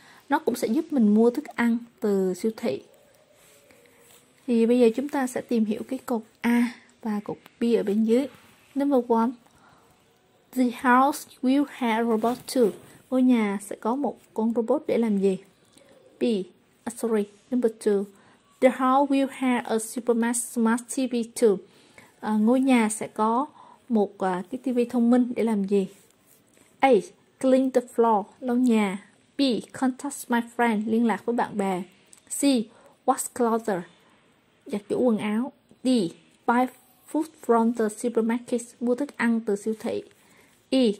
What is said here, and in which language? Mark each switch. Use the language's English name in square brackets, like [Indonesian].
[Vietnamese] Nó cũng sẽ giúp mình mua thức ăn từ siêu thị. Thì bây giờ chúng ta sẽ tìm hiểu cái cột A và cột B ở bên dưới. [English] Number 1. The house will have robot too. [Vietnamese] Ngôi nhà sẽ có một con robot để làm gì? [English] B. Sorry. Number 2. The house will have a super smart TV too. [Vietnamese] Ngôi nhà sẽ có một cái TV thông minh để làm gì? A. [English] Clean the floor, [Vietnamese] lau nhà. [English] B. Contact my friend, [Vietnamese] liên lạc với bạn bè. [English] C. Wash clothes, [Vietnamese] giặt giũ quần áo. D. [English] Buy food from the supermarket, [Vietnamese] mua thức ăn từ siêu thị. E.